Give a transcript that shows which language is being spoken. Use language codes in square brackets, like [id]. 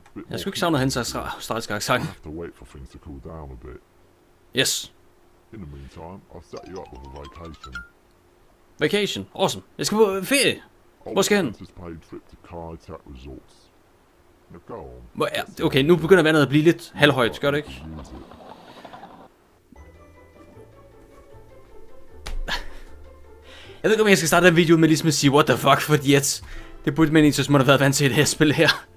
[da] Jeg skulle ikke savne hans australiske accent. [en] Have to wait for things to cool down a bit. Yes. In the meantime, I'll set you up with a vacation. Vacation? Awesome. [da] Jeg skal på ferie. Hvor skal han? [en] Anticipated trip to Kaitak Resorts. Now go on. [da] Okay, nu begynder vandet at blive lidt halvhøjt, gør det ikke? Jeg ved ikke, om jeg skal starte den video med ligesom at sige, [en] what the fuck, for yet. [da] Det burde man egentlig, så må der være vant til det her spil her.